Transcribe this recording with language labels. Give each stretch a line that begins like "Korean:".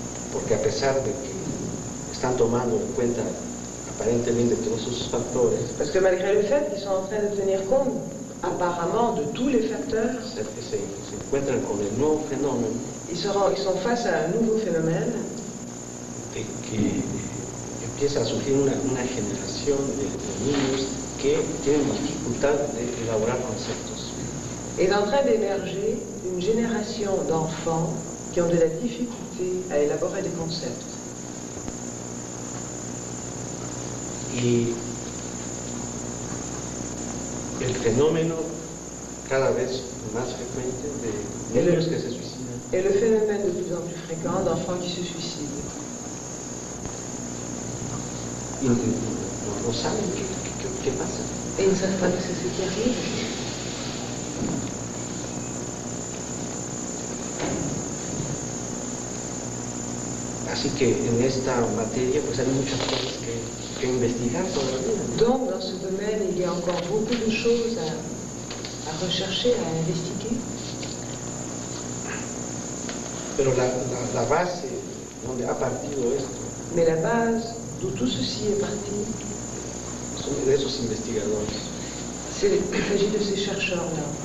Spanish: Porque a pesar de que están tomando en cuenta aparentemente todos esos factores.
French: Parce que malgré le fait qu'ils sont en train de tenir compte apparemment de tous les facteurs.
Spanish: Se encuentran con el nuevo fenómeno.
French: Ils sont face à un nouveau phénomène.
Spanish: De que empieza a surgir una generación de niños que tienen dificultad de elaborar conceptos.
French: Est en train d'émerger une génération d'enfants qui ont de la difficulté à élaborer des concepts.
Spanish: Y el fenómeno cada vez más frecuente de niños que se suicidan.
French: Et le phénomène de plus en plus fréquent d'enfants qui se suicident.
Spanish: No saben qué pasa.
French: Et ils ne savent pas ce qui arrive.
Spanish: Así que en esta materia pues hay muchas cosas que investigar todavía.
French: Donc dans ce domaine il y a encore beaucoup de choses à rechercher, à investiguer.
Spanish: Pero la base donde ha partido esto.
French: Mais la base d'où tout ceci est parti.
Spanish: Son de esos investigadores.
French: C'est il s'agit de ces chercheurs là.